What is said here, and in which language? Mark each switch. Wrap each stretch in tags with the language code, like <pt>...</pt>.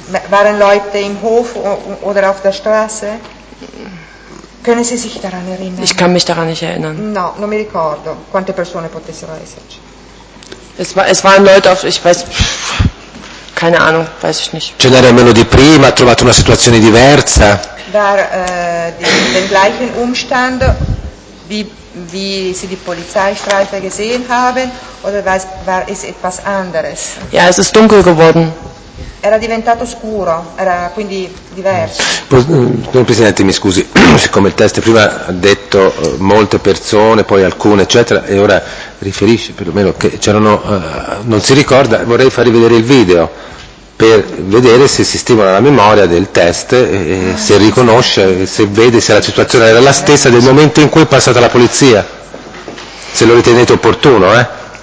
<de>Waren Leute im Hof oder auf der Straße? Können Sie sich daran erinnern? Ich kann mich daran nicht erinnern.</de> <it>No, non mi ricordo quante persone potessero esserci.</it> <de>Es waren Leute auf, ich weiß, keine Ahnung, weiß ich nicht.</de> <it>Ce n'era meno di prima, ha trovato una situazione diversa.</it> <de>War den gleichen Umstand, wie Sie die Polizeistreife gesehen haben, oder war es etwas anderes? Ja, es ist dunkel geworden.</de> <it>Era diventato scuro, era quindi diverso. Signor Presidente, mi scusi, siccome il test prima ha detto molte persone, poi alcune, eccetera, e ora riferisce perlomeno che c'erano, non si ricorda, vorrei farvi vedere il video. per vedere se si stimola la memoria del test, se riconosce, se vede se la situazione era la stessa del momento in cui è passata la polizia, se lo ritenete opportuno.</it>